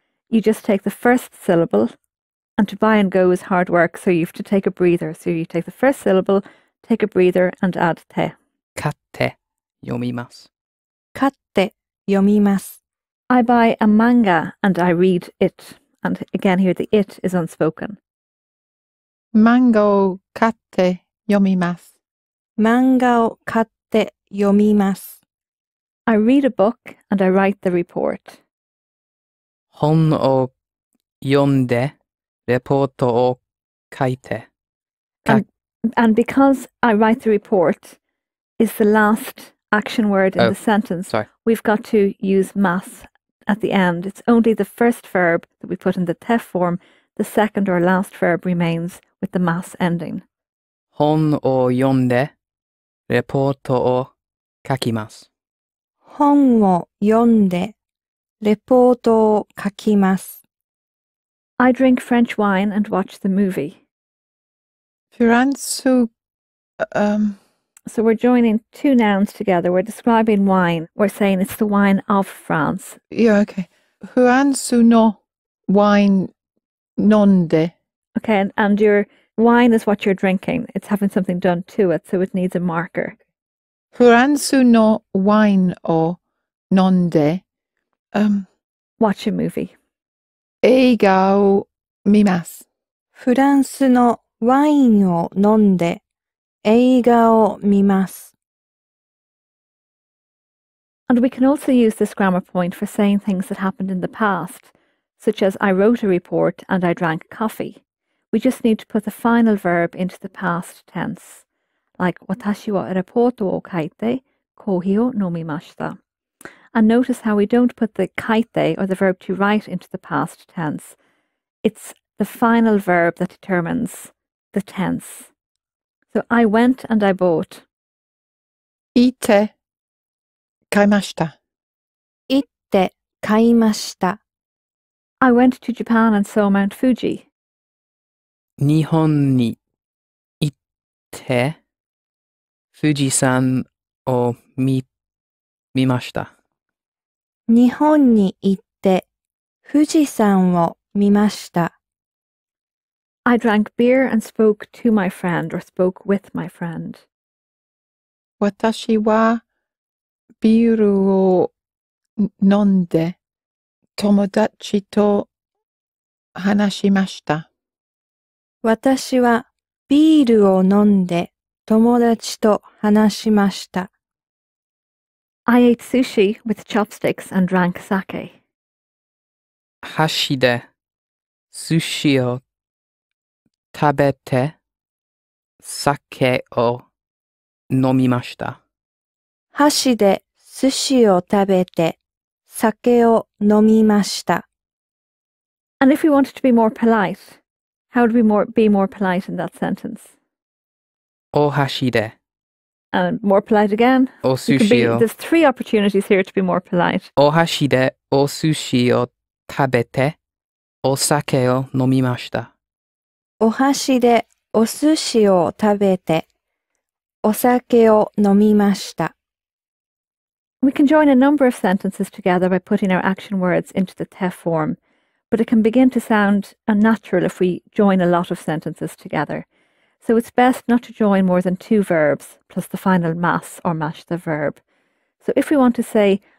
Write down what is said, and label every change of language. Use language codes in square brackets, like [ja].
[en] You just take the first syllable, and to buy and go is hard work, so you have to take a breather. So you take the first syllable, take a breather, and add て. [ja] 買って読みます。買って読みます。 [en] I buy a manga and I read it. And again here the it is unspoken. [ja] 漫画を買って読みます。漫画を買って読みます。 [en] I read a book and I write the report. [ja] 本を読んで、レポートを書いて。 [en] And because I write the report is the last action word in the sentence, we've got to use mas at the end. It's only the first verb that we put in the te form. The second or last verb remains. With the mass ending. [ja] 本を読んで、レポートを書きます。本を読んで、レポートを書きます。 [en] I drink French wine and watch the movie. [ja] フランス、 [en] So we're joining two nouns together. We're describing wine. We're saying it's the wine of France. Yeah, okay. [ja] フランスのワイン飲んで。 [en] Okay, and you're... Wine is what you're drinking. It's having something done to it, so it needs a marker. [ja] フランスのワインを飲んで、 [en] Watch a movie. [ja] 映画を見ます。フランスのワインを飲んで、映画を見ます。 [en] And we can also use this grammar point for saying things that happened in the past, such as I wrote a report and I drank coffee. We just need to put the final verb into the past tense, like [ja] 私はレポートを書いてコーヒーを飲みました. [en] And notice how we don't put the 書いて or the verb to write into the past tense. It's the final verb that determines the tense. So I went and I bought. [ja] 行って買いました. 行って買いました. [en] I went to Japan and saw Mount Fuji. [ja] 日本に行って富士山を見ました。日本に行って富士山を見ました。 [en] I drank beer and spoke to my friend or spoke with my friend. [ja] 私はビールを飲んで友達と話しました。私はビールを飲んで友達と話しました。 [en] I ate sushi with chopsticks and drank sake. [ja] 箸で寿司を食べて酒を飲みました。箸で寿司を食べて酒を飲みました。 [en] And if we wanted to be more polite,How would we be more polite in that sentence? [ja] お箸で. [en] And more polite again. [ja] お寿司を. [en] There's three opportunities here to be more polite. [ja] お箸でお寿司を食べて、お酒を飲みました。お箸でお寿司を食べて、お酒を飲みました。 [en] We can join a number of sentences together by putting our action words into the te form. But it can begin to sound unnatural if we join a lot of sentences together. So it's best not to join more than two verbs plus the final mas or mashta verb. So if we want to say,